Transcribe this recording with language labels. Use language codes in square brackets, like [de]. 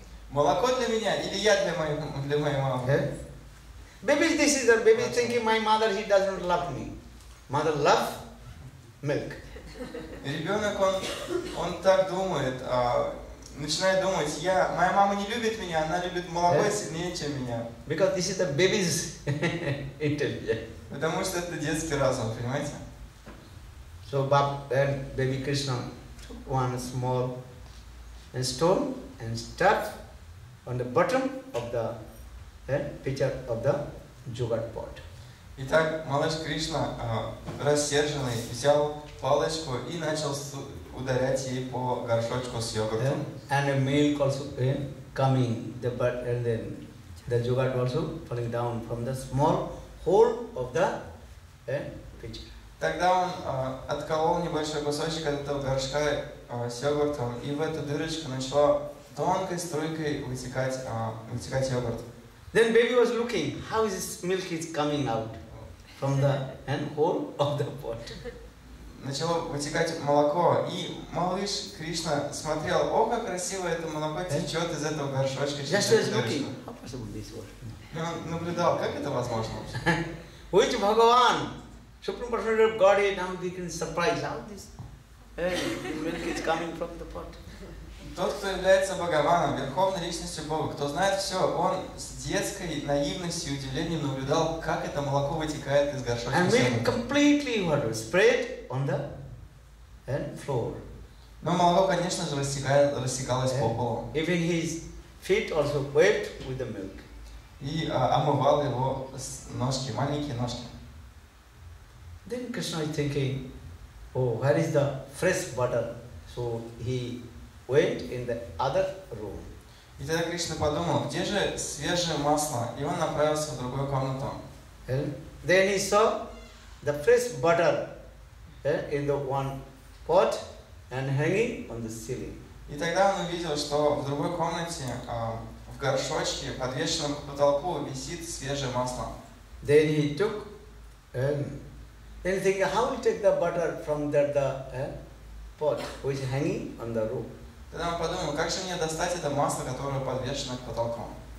[ru] Молоко для меня или я для моей мамы? [en] Okay. Baby, this is a baby thinking my mother, he doesn't love me. Mother love milk. [ru] Ребенок, он так думает, начинает думать, моя мама не любит меня, она любит молоко сильнее, чем меня. [en] Because this is a baby's intelligence. [ru] Потому что это детский разум, понимаете? [en] So baby Krishna took one small stone and stuck on the bottom of the pitcher of the jugad pot. [ru] Итак, малыш Кришна, рассерженный, взял палочку и начал ударять ей по горшочку с йогуртом. [en] Then, and a milk also coming, the but and then the jugad also falling down from the small hole of the pitcher. [ru] Тогда он отколол небольшой кусочек от этого горшка с йогуртом, и в эту дырочку начала тонкой струйкой вытекать йогурт. [en] Then baby was looking, how is this milk is coming out from the hole of the pot. [ru] Начало вытекать молоко, и малыш Кришна смотрел, о, как красиво это молоко течет из этого горшочка. [en] Just was looking, how possible this was. [ru] И он наблюдал, как это возможно. [en] Which Bhagavan, Supreme Personality of Godhead, now we can surprise, how this milk is coming from the pot. [ru] Тот, кто является Бхагаваном, Верховной Личностью Бога, кто знает все, он с детской наивностью и удивлением наблюдал, как это молоко вытекает из горшочка. [en] And milk completely spread on the floor. [ru] Но молоко, конечно же, растекалось по полу. [en] Even his feet also wet with the milk. [ru] И омывал его ножки, маленькие ножки. [en] Then Krishna is thinking, oh, where is the fresh butter? So he went in the other room. [ru] И тогда Кришна подумал, где же свежее масло? И он направился в другую комнату. [en] Then he saw the fresh butter in the one pot and hanging on the ceiling. [ru] И тогда он увидел, что в другой комнате в горшочке, подвешенном к потолку, висит свежее масло. [en] Then he took then he think, how will take the butter from that the pot which is hanging on the roof? [ru] Тогда он подумал, как же мне достать это масло, которое подвешено к потолку?